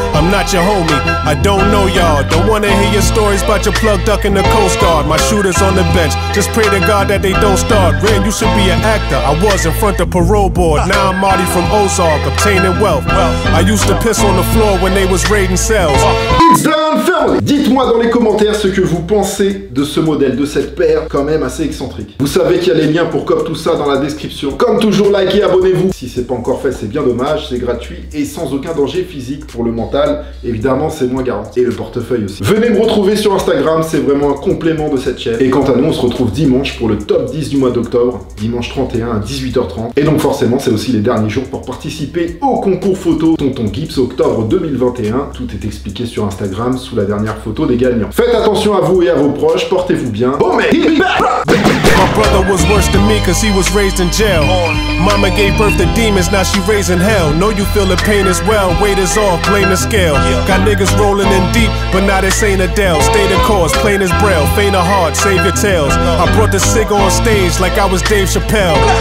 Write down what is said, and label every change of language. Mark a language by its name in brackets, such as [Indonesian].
[English] I'm not your homie, I don't know y'all. Don't wanna hear your stories about your plug duck in the Coast Guard. My shooter's on the bench. Just pray to God that they don't start. Ren, you should be an actor. I was in front of parole board. Now I'm Marty from Ozark, obtaining wealth. I used to piss on the floor when they was raiding cells. It's done, family. [French] Dites-moi dans les commentaires ce que vous pensez de ce modèle, de cette paire quand même assez excentrique. Vous savez qu'il y a les liens pour cop tout ça dans la description. Comme toujours, likez, abonnez-vous. Si c'est pas encore fait, c'est bien dommage. C'est gratuit et sans aucun danger physique pour le mental. Évidemment, c'est moins garanti. Et le portefeuille aussi. Venez me retrouver sur Instagram, c'est vraiment un complément de cette chaîne. Et quant à nous, on se retrouve dimanche pour le top 10 du mois d'octobre, dimanche 31 à 18h30. Et donc forcément, c'est aussi les derniers jours pour participer au concours photo Tonton Gibbs octobre 2021. Tout est expliqué sur Instagram sous la dernière photo des gagnants. Faites attention à vous et à vos proches, portez-vous bien. Bon mec, [English] hit me back. My brother was worse than me cause he was raised in jail. Mama gave birth to demons, now she raising hell. Know you feel the pain as well, weight is off, blame the scale. Got niggas rolling in deep, but now this ain't Adele. Stay the course, plain as braille, faint of heart, save your tails. I brought the sig on stage like I was Dave Chappelle.